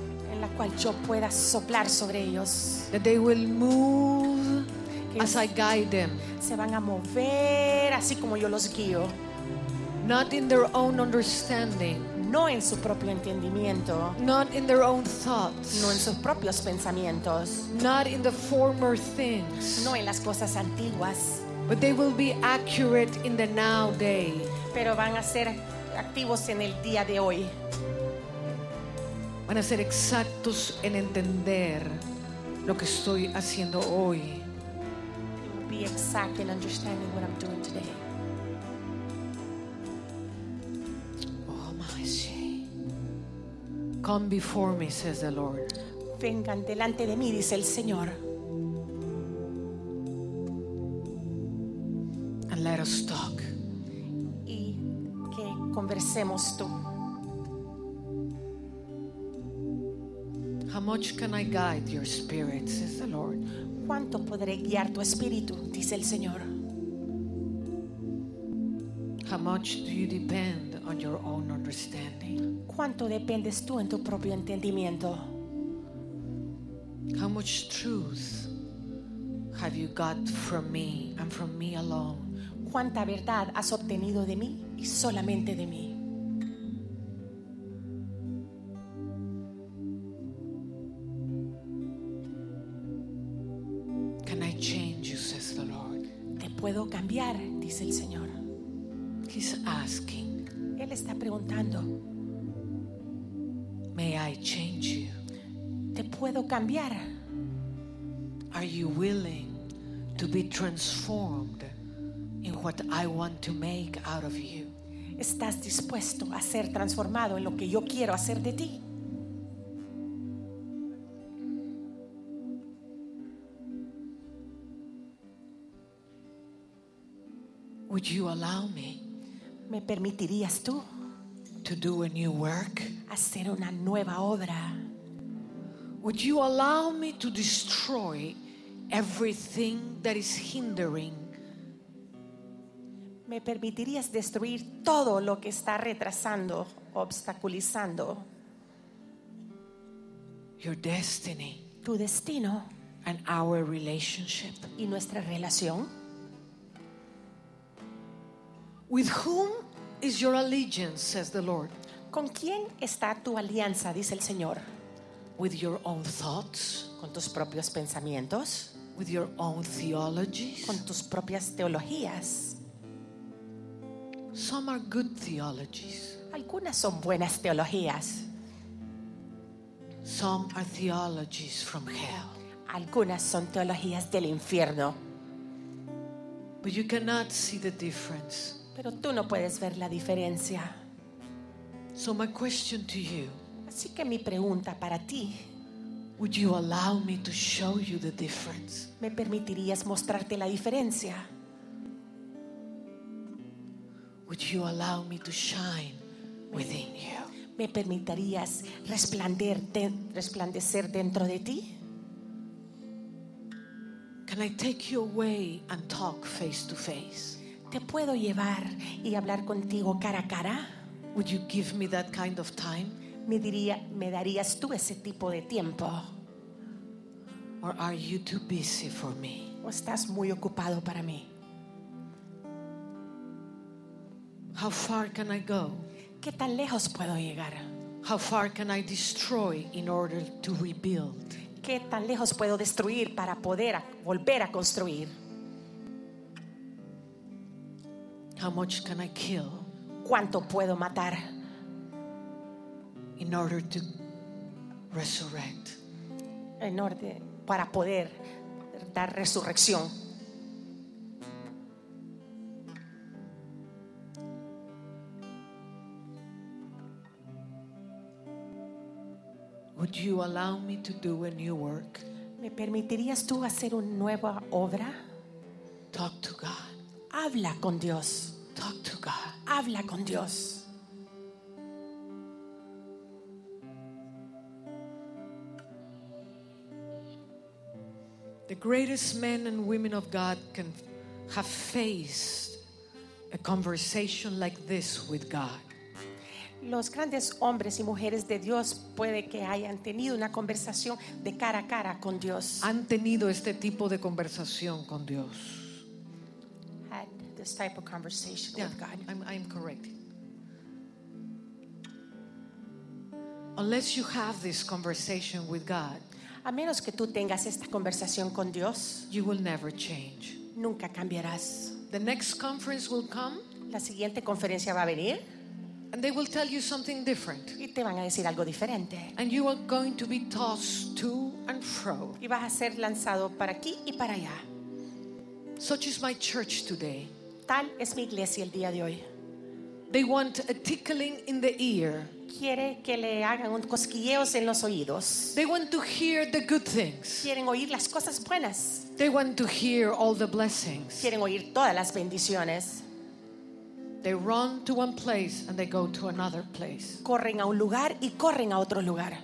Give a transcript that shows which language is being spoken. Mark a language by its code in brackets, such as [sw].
[es] en la cual yo pueda soplar sobre ellos. [en] That they will move as I guide them. [es] Se van a mover así como yo los guío. [en] Not in their own understanding. [es] No en su propio entendimiento. [en] Not in their own thoughts. [es] No en sus propios pensamientos. [en] Not in the former things. [es] No en las cosas antiguas. [en] But they will be accurate in the now day. [es] Pero van a ser activos en el día de hoy. van a ser exactos en entender lo que estoy haciendo hoy. [en] Be exact in understanding what I'm doing today. Oh my God. Come before me, says the Lord. [es] Vengan delante de mí, dice el Señor. [en] And let us talk. [es] Y que conversemos tú. [en] How much can I guide your spirit, says the Lord? [es] ¿Cuánto podré guiar tu espíritu?, dice el Señor. [en] How much do you depend on your own understanding? [es] ¿Cuánto dependes tú en tu propio entendimiento? [en] How much truth have you got from me and from me alone? [es] ¿Cuánta verdad has obtenido de mí y solamente de mí? [en] Can I change you, says the Lord? [es] ¿Te puedo cambiar?, dice el Señor. [en] He's asking. [es] Él está preguntando. [en] May I change you? [es] ¿Te puedo cambiar? [en] Are you willing to be transformed in what I want to make out of you? [es] ¿Estás dispuesto a ser transformado en lo que yo quiero hacer de ti? [en] Would you allow me? [es] ¿Me permitirías tú? [en] To do a new work? [es] Hacer una nueva obra. [en] Would you allow me to destroy everything that is hindering? [es] ¿Me permitirías destruir todo lo que está retrasando, obstaculizando? [en] Your destiny. [es] Tu destino. [en] And our relationship. [es] Y nuestra relación. [en] With whom is your allegiance, says the Lord? [es] ¿Con quién está tu alianza?, dice el Señor. [en] With your own thoughts. [es] ¿Con tus propios pensamientos? [en] With your own theologies. [es] ¿Con tus propias teologías? [en] Some are good theologies. [es] Algunas son buenas teologías. [en] Some are theologies from hell. [es] Algunas son teologías del infierno. [en] But you cannot see the difference. [es] Pero tú no puedes ver la diferencia. [en] So my question to you, [es] así que mi pregunta para ti, [en] would you allow me to show you the difference? [es] ¿Me permitirías mostrarte la diferencia? [en] Would you allow me to shine within you? [es] ¿Me permitirías resplandecer dentro de ti? [en] Can I take you away and talk face to face? [es] ¿Te puedo llevar y hablar contigo cara a cara? [en] Would you give me that kind of time? [es] ¿Me darías tú ese tipo de tiempo? [en] Or are you too busy for me? [es] ¿O estás muy ocupado para mí? [en] How far can I go? [es] ¿Qué tan lejos puedo llegar? [en] How far can I destroy in order to rebuild? [es] ¿Qué tan lejos puedo destruir para poder volver a construir? [en] How much can I kill? [es] ¿Cuánto puedo matar? [en] In order to resurrect. [es] En orden para poder dar resurrección. [en] Would you allow me to do a new work? [es] ¿Me permitirías tú hacer una nueva obra? [en] Talk to God. [es] Habla con Dios. [en] Talk to God. [es] Habla con Dios. [en] The greatest men and women of God can have faced a conversation like this with God. [es] Los grandes hombres y mujeres de Dios puede que hayan tenido una conversación de cara a cara con Dios. Han tenido este tipo de conversación con Dios. [en] This type of conversation, yeah, with God. I'm correct. Unless you have this conversation with God, [es] a menos que tú tengas esta conversación con Dios, [en] you will never change. [es] Nunca cambiarás. [en] The next conference will come. [es] La siguiente conferencia va a venir. [en] And they will tell you something different. [es] Y te van a decir algo diferente. [en] And you are going to be tossed to and fro. [es] Y vas a ser lanzado para aquí y para allá. [en] Such is my church today. [es] Tal es mi iglesia el día de hoy. [en] They want a tickling in the ear. [es] Quiere que le hagan un cosquilleos en los oídos. [en] They want to hear the good things. [es] Quieren oír las cosas buenas. [en] They want to hear all the blessings. [es] Quieren oír todas las bendiciones. [en] They run to one place and they go to another place. [es] Corren a un lugar y corren a otro lugar.